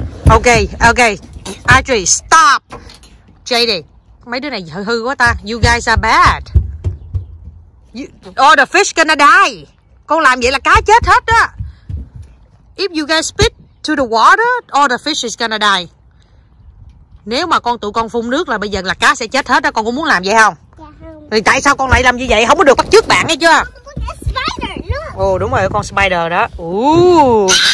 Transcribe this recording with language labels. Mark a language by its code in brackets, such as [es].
[en] Ok, Audrey, stop. [vi] JD, mấy đứa này hư quá ta. [en] You guys are bad. Oh, the fish gonna die. [vi] Con làm vậy là cá chết hết đó. [en] If you guys spit to the water, all the fish is gonna die. [vi] Nếu mà con tụi con phun nước là bây giờ là cá sẽ chết hết đó. Con cũng muốn làm vậy không? Dạ không. Thì tại sao con lại làm như vậy? Không có được bắt trước bạn hay chưa? Con spider nữa. Ồ, đúng rồi, con spider đó. Ooh.